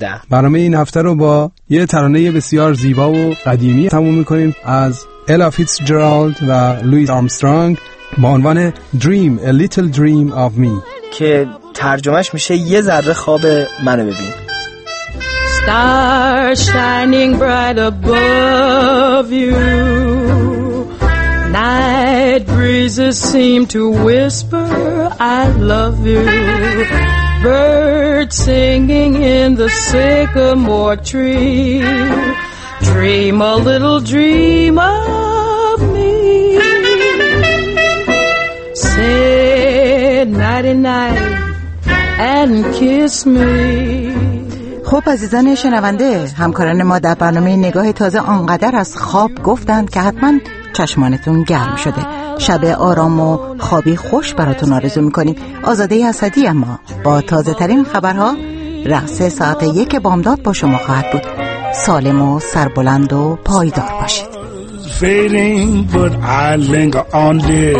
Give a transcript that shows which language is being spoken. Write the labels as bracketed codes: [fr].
[fa] برنامه این هفته رو با یه ترانه بسیار زیبا و قدیمی تموم میکنیم از الا فیتزجرالد و لوئیس آرمسترانگ با عنوان Dream, A Little Dream of Me که ترجمهش میشه یه ذره خواب منو ببین. [en] Star shining bright above you, night breezes seem to whisper I love you, bird singing in the sycamore tree. Dream a little dream of me. Say nighty-night and kiss me. [fa] خب عزیزان شنونده، همکاران ما در برنامه نگاه تازه انقدر از خواب گفتند که حتما چشمانتون گرم شده. شب آرام و خوابی خوش براتون آرزو میکنیم. آزاده اسدی اما با تازه ترین خبرها رقص ساعت 1 بامداد با شما خواهد بود. سالم و سربلند و پایدار باشید. [en] Fading, but I linger on, dear.